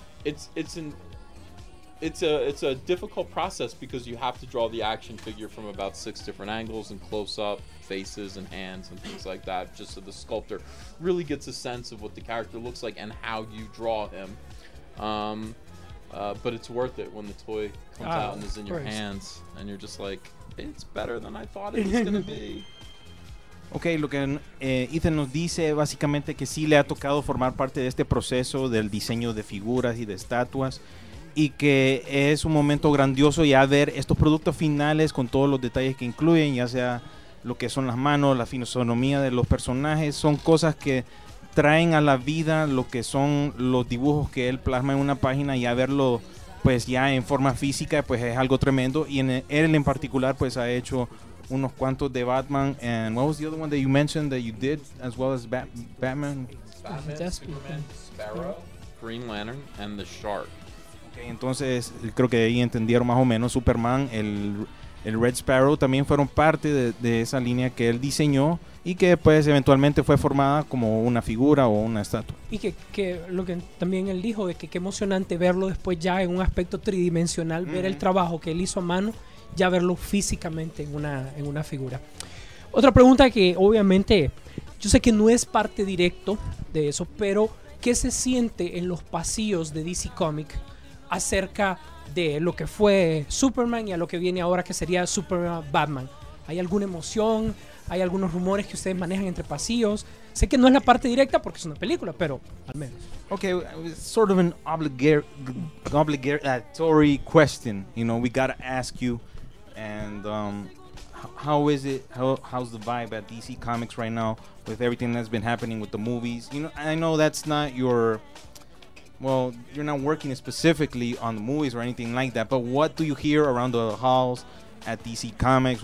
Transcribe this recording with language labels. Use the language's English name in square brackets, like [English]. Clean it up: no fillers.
[English] It's a difficult process because you have to draw the action figure from about six different angles and close up faces and hands and things like that, just so the sculptor really gets a sense of what the character looks like and how you draw him. But it's worth it when the toy comes out and is in your hands and you're just like, it's better than I thought it was gonna be. [Spanish] Okay, Logan, Ethan nos dice básicamente que sí le ha tocado formar parte de este proceso del diseño de figuras y de estatuas, y que es un momento grandioso ya ver estos productos finales con todos los detalles que incluyen, ya sea lo que son las manos, la fisonomía de los personajes, son cosas que traen a la vida lo que son los dibujos que él plasma en una página, y a verlo pues ya en forma física pues es algo tremendo. Y él en particular pues ha hecho unos cuantos de Batman. [English] And what was the other one that you mentioned that you did as well as Batman? Batman, Superman, Sparrow, Green Lantern and the Shark. [Spanish] Entonces, creo que ahí entendieron más o menos. Superman, el Red Sparrow también fueron parte de esa línea que él diseñó y que pues eventualmente fue formada como una figura o una estatua. Y que lo que también él dijo de que qué emocionante verlo después ya en un aspecto tridimensional, ver el trabajo que él hizo a mano, ya verlo físicamente en una figura. Otra pregunta que obviamente yo sé que no es parte directo de eso, pero ¿qué se siente en los pasillos de DC Comics acerca de lo que fue Superman y a lo que viene ahora que sería Superman Batman? ¿Hay alguna emoción? ¿Hay algunos rumores que ustedes manejan entre pasillos? Sé que no es la parte directa porque es una película, pero al menos. [English] Okay, sort of an obligatory question, you know, we gotta ask you, and how is it, how's the vibe at DC Comics right now with everything that's been happening with the movies? You know, I know that's not your... Well, you're not working specifically on the movies or anything like that, but what do you hear around the halls at DC Comics?